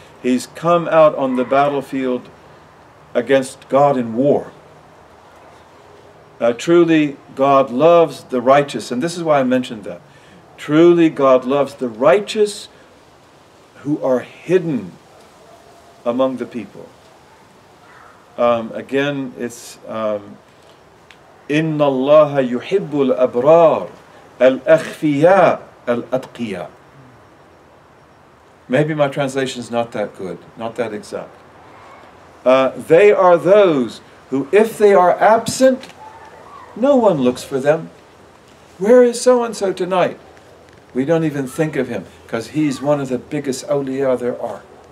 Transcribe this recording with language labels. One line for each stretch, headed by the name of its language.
English: He's come out on the battlefield against God in war. Truly, God loves the righteous. And this is why I mentioned that. Truly, God loves the righteous who are hidden among the people. Again, it's
Arabic: إِنَّ اللَّهَ يُحِبُّ الْأَبْرَارَ الْأَخْفِيَاءَ الْأَتْقِيَاءَ.
English: Maybe my translation is not that good, not that exact. They are those who, if they are absent, no one looks for them. Where is so-and-so tonight? We don't even think of him, because he's one of the biggest awliya there are.